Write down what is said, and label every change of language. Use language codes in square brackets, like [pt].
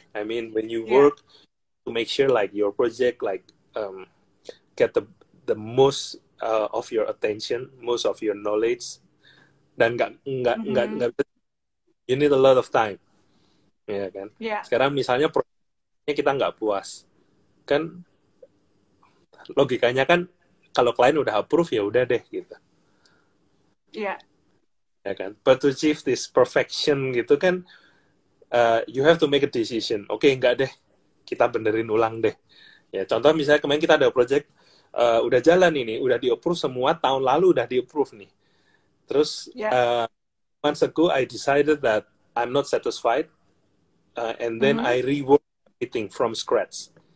[en] I mean, when you work to make sure like your project like get the most of your attention, most of your knowledge, [id] dan nggak [en] you need a lot of time, [id] ya kan? Sekarang misalnya proyeknya kita nggak puas, kan logikanya kan kalau klien udah approve ya udah deh gitu, ya kan? [en] But to achieve this perfection [id] gitu kan, [en] you have to make a decision. [id] Okay, nggak deh, kita benerin ulang deh. Ya contoh misalnya kemarin kita ada project. Udah jalan ini, udah di-approve semua, tahun lalu udah di-approve nih. [en] Terus, months ago, I decided that I'm not satisfied, and then I rework everything from scratch.